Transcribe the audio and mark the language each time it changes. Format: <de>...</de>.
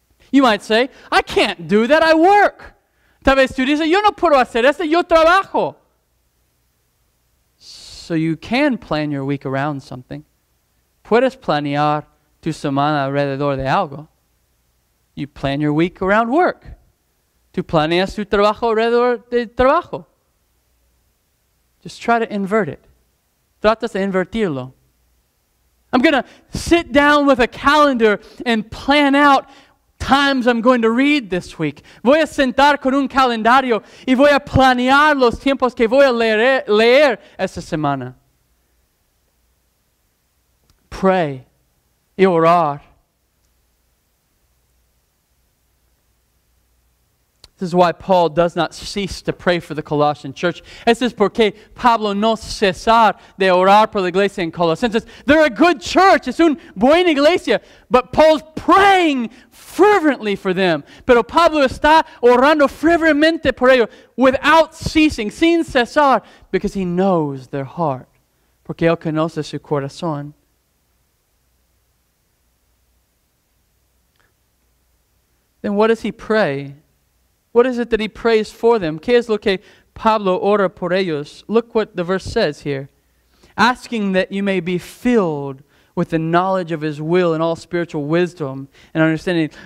<en>You might say, I can't do that, I work.</en> <es>Tal vez tú dices, yo no puedo hacer eso, yo trabajo.</es> <en>So you can plan your week around something.</en> <es>Puedes planear tu semana alrededor de algo.</es> <en>You plan your week around work.</en> <es>Tú planeas tu trabajo alrededor de trabajo.</es> <en>Just try to invert it.</en> <es>Tratas de invertirlo.</es> <en>I'm going to sit down with a calendar and plan out times I'm going to read this week.</en> <es>Voy a sentar con un calendario y voy a planear los tiempos que voy a leer esta semana. Pray y orar.</es> <en>This is why Paul does not cease to pray for the Colossian church.</en> <es>Esto es porque Pablo no cesar de orar por la iglesia en Colosas.</es> <en>They're a good church.</en> <es>Es una buena iglesia.</es> <en>But Paul's praying fervently for them.</en> <es>Pero Pablo está orando fervientemente por ellos</es> <en>without ceasing,</en> <es>sin cesar,</es> <en>because he knows their heart.</en> <es>Porque él conoce su corazón.</es> <en>Then what does he pray? What is it that he prays for them?</en> <es>¿Qué es lo que Pablo ora por ellos?</es> <en>Look what the verse says here. Asking that you may be filled with the knowledge of his will and all spiritual wisdom and understanding.</en>